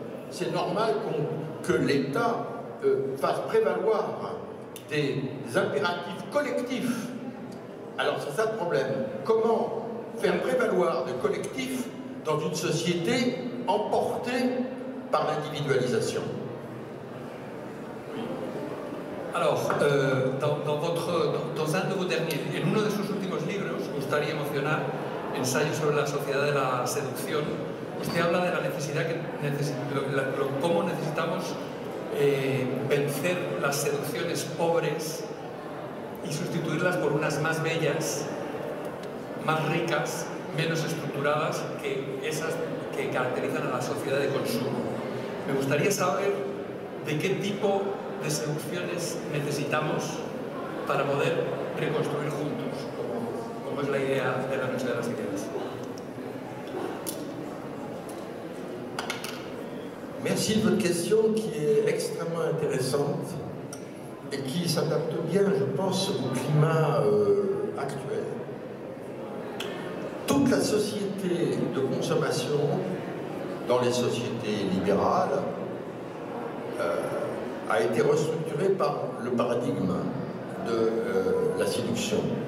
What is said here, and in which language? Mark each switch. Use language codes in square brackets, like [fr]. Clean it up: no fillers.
[fr] C'est normal que l'État fasse prévaloir des impératifs collectifs. Alors c'est ça le problème. Comment faire prévaloir des collectifs dans une société emporté par l'individualisation? Alors, dans un de vos derniers, [es] en uno de sus últimos libros, Gustar y emocionar, ensayo sobre la sociedad de la seducción, usted habla de la necesidad que cómo necesitamos vencer las seducciones pobres y sustituirlas por unas más bellas, más ricas, menos estructuradas que esas que caracterizan a la sociedad de consumo. Me gustaría saber de qué tipo de seducciones necesitamos para poder reconstruir juntos, como es la idea de la Noche de las Ideas. [fr] Merci de votre question qui est extrêmement intéressante et qui s'adapte bien, je pense, au climat actuel. Toute la société de consommation dans les sociétés libérales a été restructurée par le paradigme de la séduction.